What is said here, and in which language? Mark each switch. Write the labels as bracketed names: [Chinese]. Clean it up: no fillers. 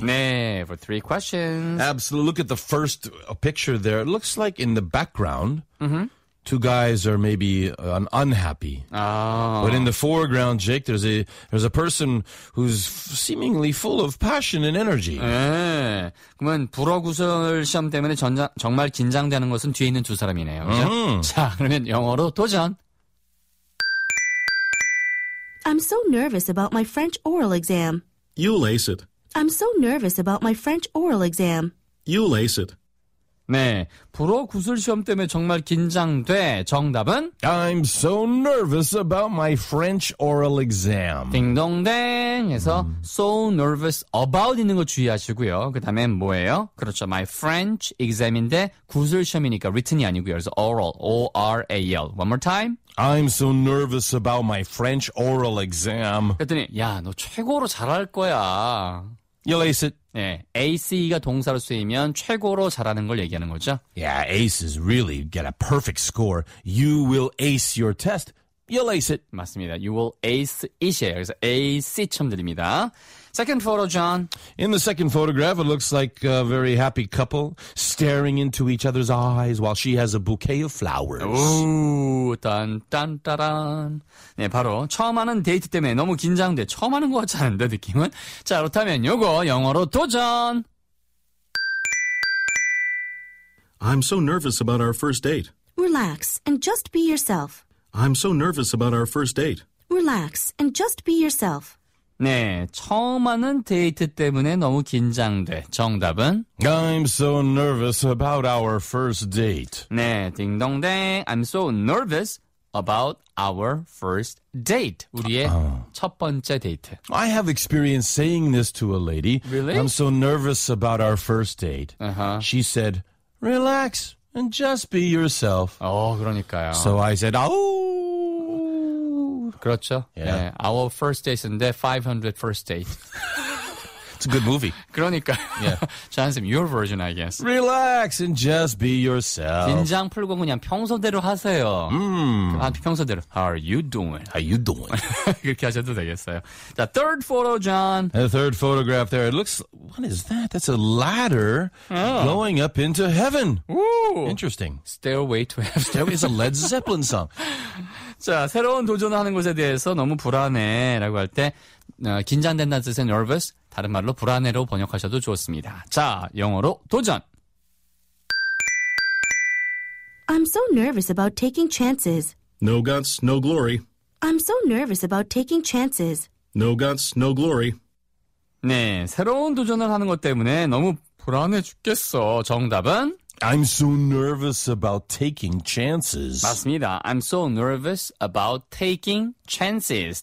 [Korean] 네, [English] for 3 questions. Absolutely. Look at the first picture there. It looks like in the background, two guys are maybe unhappy. Oh. But in the foreground, Jake, there's a person who's seemingly full of passion and energy. [Korean] 네. 그러면 불어 구술 시험 때문에 정말 긴장되는 것은 뒤에 있는 두 사람이네요. 그렇죠? 자, 그러면 영어로 도전. [English] I'm so nervous about my French oral exam. You'll ace it. I'm so nervous about my French oral exam. You'll ace it. [Korean] 네. 불어 구슬 시험 때문에 정말 긴장돼. 정답은? [English] I'm so nervous about my French oral exam. [Korean] 딩동댕 해서 [English] so nervous about [Korean] 있는 거 주의하시고요. 그 다음에 뭐예요? 그렇죠. [English] My French exam [Korean] 인데 구슬 시험이니까 written이 아니고요. 그래서 [English] oral. O-R-A-L. One more time. I'm so nervous about my French oral exam. [Korean] 그랬더니 야, 너 최고로 잘할 거야. [English] You'll ace it. [Korean] 네, ace가 동사로 쓰이면 최고로 잘하는 걸 얘기하는 거죠. [English] Yeah, ace is really get a perfect score. You will ace your test. You'll ace it. [Korean] 맞습니다. [English] You will ace it [Korean] 이에요. 그래서 ace처럼 들립니다. [English] Second photo, John. In the second photograph, it looks like a very happy couple staring into each other's eyes while she has a bouquet of flowers. [Korean] 오, 딴딴따란. 네, 바로 처음 하는 데이트 때문에 너무 긴장돼. 처음 하는 것 같지 않은데, 느낌은? 자, 그렇다면 요거 영어로 도전! [English] I'm so nervous about our first date. Relax and just be yourself. I'm so nervous about our first date. Relax and just be yourself. [Korean] 네, 처음 하는 데이트 때문에 너무 긴장돼. 정답은? [English] I'm so nervous about our first date. [Korean] 네, 딩동댕. [English] I'm so nervous about our first date. [Korean] 우리의 첫 번째 데이트. [English] I have experience saying this to a lady. Really? I'm so nervous about our first date. Uh-huh. She said, relax and just be yourself. [Korean] 어, 그러니까요. [English] So I said, oh! [Korean] 그렇죠. [English] Yeah. [Korean] 네. [English] Our first date인데 500 first date. It's a good movie. [Korean] 그러니까. [English] Yeah. [Korean] 자연스럽게 [English] your version, I guess. Relax and just be yourself. [Korean] 긴장 풀고 그냥 평소대로 하세요. 평소대로. [English] How are you doing? How you doing? [Korean] 그렇게 하셔도 되겠어요. 자, [English] third photo, John. The third photograph there. It looks, what is that? That's a ladder going up into heaven. Ooh. Interesting. Stairway to heaven. Stairway is a Led Zeppelin song. [Korean] 자, 새로운 도전을 하는 것에 대해서 너무 불안해라고 할 때 긴장된다는 뜻의 nervous, 다른 말로 불안해로 번역하셔도 좋습니다. 자, 영어로 도전! [English] I'm so nervous about taking chances. No guts, no glory. I'm so nervous about taking chances. No guts, no glory. [Korean] 네, 새로운 도전을 하는 것 때문에 너무 불안해 죽겠어. 정답은? [English] I'm so nervous about taking chances. [Korean] 맞습니다. [English] I'm so nervous about taking chances.